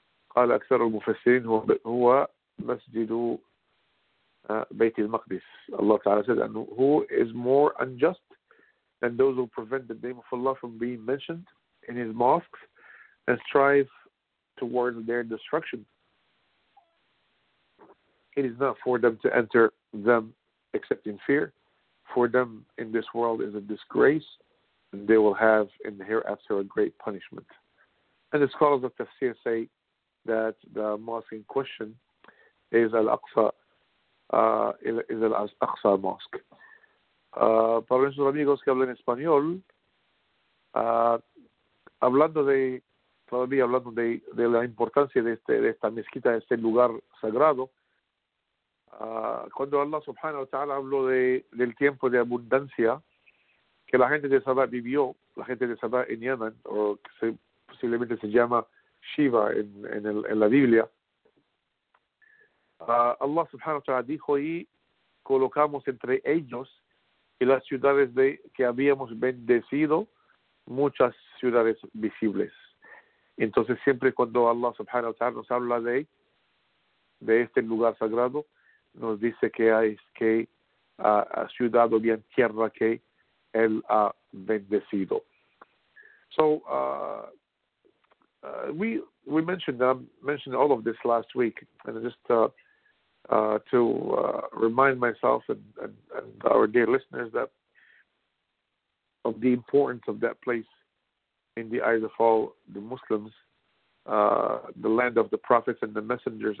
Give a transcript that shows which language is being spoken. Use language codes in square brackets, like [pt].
[ar] قال أكثر المفسرين: هو مسجد بيت المقدس. الله تعالى [en] said that who is more unjust than those who prevent the name of Allah from being mentioned in his mosques and strive towards their destruction. It is not for them to enter them except in fear. For them in this world is a disgrace, and they will have in the hereafter a great punishment. And the scholars of Tafsir say that the mosque in question is Al-Aqsa Mosque. [es] Para nuestros amigos que hablan español, hablando de la importancia de esta mezquita, de este lugar sagrado, cuando Allah subhanahu wa ta'ala habló del tiempo de abundancia que la gente de Sabah vivió, la gente de Sabah en Yemen, o que posiblemente se llama Shiva en la Biblia, Allah subhanahu wa ta'ala dijo: y colocamos entre ellos y las ciudades que habíamos bendecido muchas ciudades visibles. Entonces, siempre cuando Allah subhanahu wa ta'ala nos habla de este lugar sagrado, nos dice que ha ciudad o bien tierra que él ha bendecido. [en] So we mentioned mentioned all of this last week, and just to remind myself and our dear listeners that of the importance of that place in the eyes of all the Muslims, the land of the prophets and the messengers.